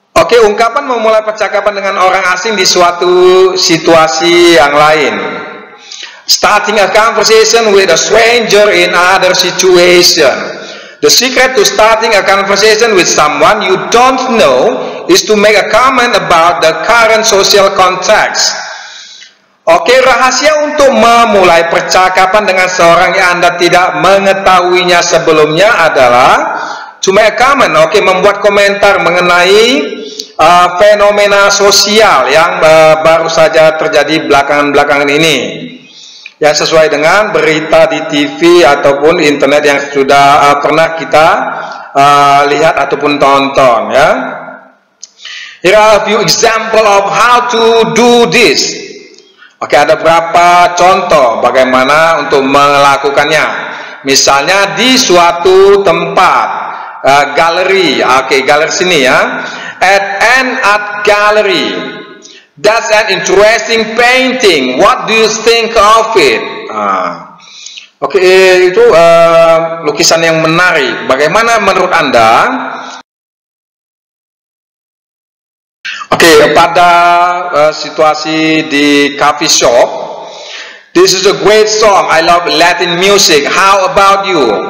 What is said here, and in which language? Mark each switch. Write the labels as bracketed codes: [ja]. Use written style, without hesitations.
[id] Ungkapan memulai percakapan dengan orang asing di suatu situasi yang lain. [en] Starting a conversation with a stranger in other situation. The secret to starting a conversation with someone you don't know is to make a comment about the current social context. [id] Rahasia untuk memulai percakapan dengan seorang yang Anda tidak mengetahuinya sebelumnya adalah [en] to make a comment, [id] membuat komentar mengenai fenomena sosial yang baru saja terjadi belakangan-belakangan ini. Yang sesuai dengan berita di TV ataupun internet yang sudah pernah kita lihat ataupun tonton ya. [en] Here are a few example of how to do this. [id] Ada beberapa contoh bagaimana untuk melakukannya. Misalnya di suatu tempat galeri, galeri sini ya. [en] At an art gallery. That's an interesting painting. What do you think of it? [id] Oke, itu lukisan yang menarik. Bagaimana menurut Anda? Oke, pada situasi di coffee shop. [en] This is a great song. I love Latin music. How about you?